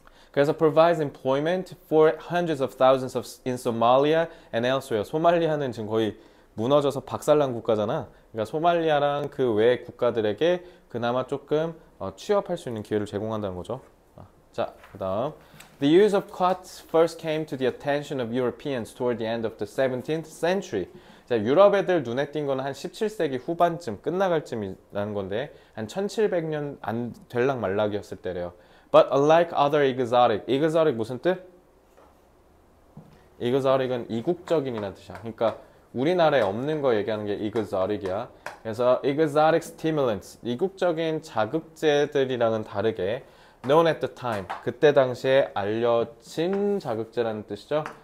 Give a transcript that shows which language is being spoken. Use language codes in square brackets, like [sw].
[ko] 그래서 [en] provides employment for hundreds of thousands of in Somalia and elsewhere. [ko] 소말리아는 지금 거의 무너져서 박살난 국가잖아. 그러니까 소말리아랑 그외 국가들에게 그나마 조금 취업할 수 있는 기회를 제공한다는 거죠. 자, 그다음. [en] The use of quats first came to the attention of Europeans toward the end of the 17th century. [ko] 자, 유럽 애들 눈에 띈 거는 한 17세기 후반쯤, 끝나갈 쯤이라는 건데, 한 1700년 안 될락 말락이었을 때래요. [en] But unlike other exotic [ko] 무슨 뜻? Exotic은 이국적인이라는 뜻이야. 그러니까 우리나라에 없는 거 얘기하는 게 exotic이야. 그래서 [en] exotic stimulants, [ko] 이국적인 자극제들이랑은 다르게 [en] known at the time, [ko] 그때 당시에 알려진 자극제라는 뜻이죠.